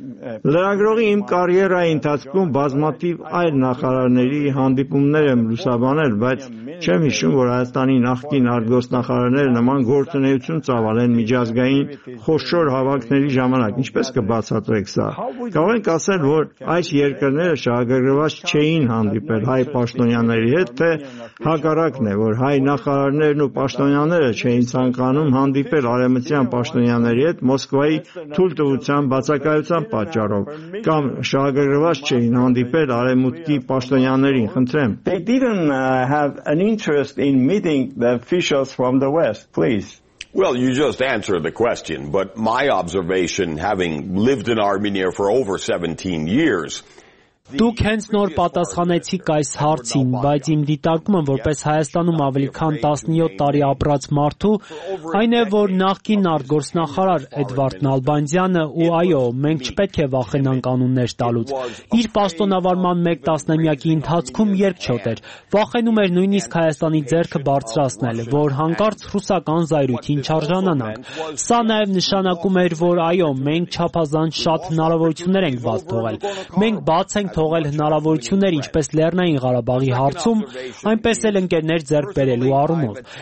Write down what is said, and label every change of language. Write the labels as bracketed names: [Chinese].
[Armenian] Լրագրողի իմ կարիերայի ընթացքում բազմաթիվ այլ նախարարների հանդիպումներ եմ լուսաբանել, բայց չեմ հիշում, որ Հայաստանի նախկին արտգործնախարարները նման գործունեություն ծավալեն միջազգային խոշոր հավաքների ժամանակ։ Ինչպես կբացատրեք սա։ Կարող ենք ասել, որ այս երկրները շահագրգռված չէին հանդիպել հայ պաշտոնյաների հետ, թե հակառակն է, որ հայ նախարարներն ու պաշտոնյաները չէին ցանկանում հանդիպել արևմտյան պաշտոնյաների հետ Մոսկվայի թույլտվության բացակայության պատճառով, կամ շահագրգռված չէին հանդիպել արևմուտքի պաշտոնյաներին, խնդրեմ։ [English] An interest in meeting the officials from the West, please. Well, you just answered the question, but my observation, having lived in Armenia for over 17 years, [Armenian] Դուք հենց նոր պատասխանեցիք այս հարցին, բայց իմ դիտարկումը, որպես Հայաստանում ավելի քան 17 տարի ապրած մարդու, այն է, որ նախկին արտգործնախարար Էդվարդ Նալբանդյանը, ու այո, մենք չպետք է վախենանք անուններ տալուց, իր պաշտոնավարման մեկ տասնամյակի ընթացքում երկչոտ էր, վախենում էր նույնիսկ Հայաստանի ձեռքը բարձրացնել, որ հանկարծ ռուսական զայրույթին չարժանանանք։ Սա նաև նշանակում էր, որ այո, մենք չափազանց շատ հնարավորություններ ենք բաց թողել, մենք բաց ենք թողել հնարավորություններ, ինչպես Լեռնային Ղարաբաղի հարցում, այնպես էլ ընկերներ ձեռք բերելու առումով։